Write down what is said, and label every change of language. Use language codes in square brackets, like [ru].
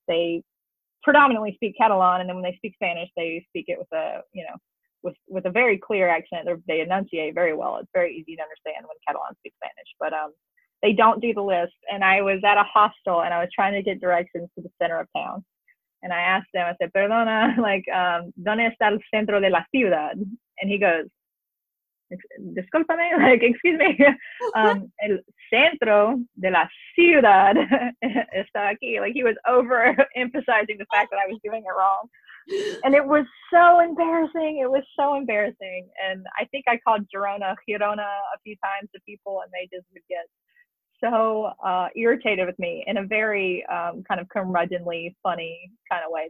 [en] They predominantly speak Catalan, and then when they speak Spanish, they speak it with a, you know, with a very clear accent. They enunciate very well. It's very easy to understand when Catalan speaks Spanish. But they don't do the lisp. And I was at a hostel, and I was trying to get directions to the center of town. And I asked them, I said, [es] perdona, [en] like, [es] ¿dónde está el centro de la ciudad? [en] And he goes, excuse me, [es] el centro de la ciudad está aquí. [en] Like, he was over emphasizing the fact that I was doing it wrong, and it was so embarrassing. And I think I called Girona a few times to people, and they just would get so irritated with me in a very kind of curmudgeonly funny kind of way.